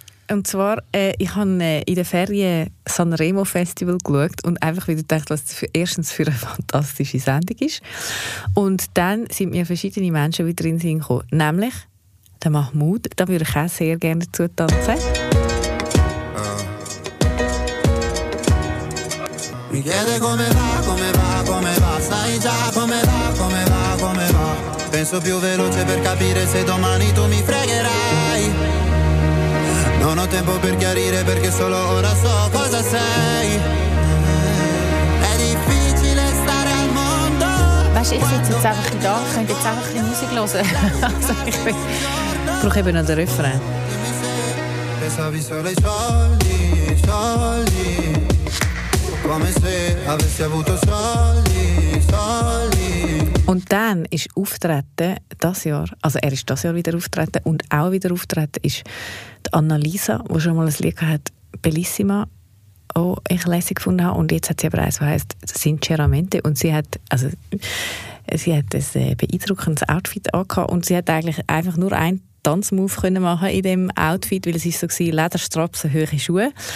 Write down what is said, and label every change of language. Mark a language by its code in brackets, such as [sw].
[de] Und zwar, ich habe in der Ferien Sanremo Festival geschaut und einfach wieder gedacht, was das für, erstens für eine fantastische Sendung ist. Und dann sind mir verschiedene Menschen wieder in den Sinn gekommen. Nämlich der Mahmoud, da würde ich auch sehr gerne dazu tanzen. [it] Mi chiede come va, come va, come va, sai già come va, come va, come va. Penso più veloce per capire se domani tu mi fregherai. Non ho tempo per chiarire perché solo ora so cosa sei. È difficile stare al mondo. [de] Weißt, ich sitze jetzt einfach da, könnte jetzt einfach die Musik hören. Ich brauche eben noch den Refrain. [it] Pensavi solo ai soldi, soldi. Come se avessi avuto soldi, soldi. [de] Und dann ist auftreten das Jahr, also er ist das Jahr wieder auftreten und auch wieder auftreten ist die Annalisa, die schon mal ein Lied hat, Bellissima, auch ich lässig gefunden habe. Und jetzt hat sie aber eins, das heisst Sinceramente. Und sie hat ein beeindruckendes Outfit angehabt und sie hat eigentlich einfach nur ein Tanzmove können machen in dem Outfit, weil es ist so gewesen, Lederstrapsen, hohe Schuhe.